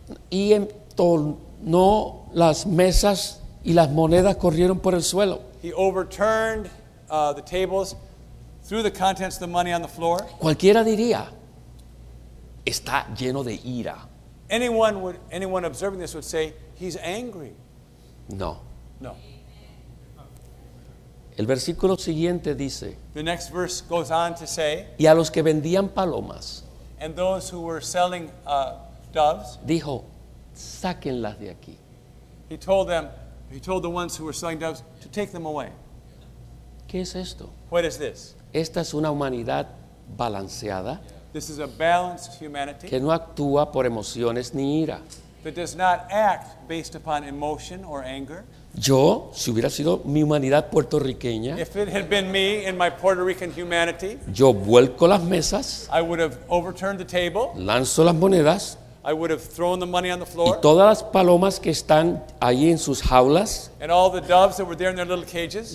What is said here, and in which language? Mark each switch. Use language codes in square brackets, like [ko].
[es] Y entornó las mesas y las monedas corrieron por el suelo. [en] He overturned the tables, threw the contents of the money on the floor. [es] Cualquiera diría, está lleno de ira. [en] Anyone observing this would say he's angry. [es] No. [en] No. [es] El versículo siguiente dice. [en] The next verse goes on to say. [es] Y a los que vendían palomas. [en] And those who were selling doves. [es] Dijo, sáquenlas de aquí. [en] He told the ones who were selling doves to take them away. [es] ¿Qué es esto? [en] What is this? [es] Esta es una humanidad balanceada. [en] This is a balanced humanity [es] que no actúa por emociones ni ira. [en] That does not act based upon emotion or anger. [es] Yo, si hubiera sido mi humanidad puertorriqueña, [en] if it had been me in my Puerto Rican humanity, [es] yo vuelco las mesas, [en] I would have overturned the table, [es] lanzo las monedas, [en] I would have thrown the money on the floor, [es] y todas las palomas que están ahí en sus jaulas, [en] and all the doves that were there in their little cages,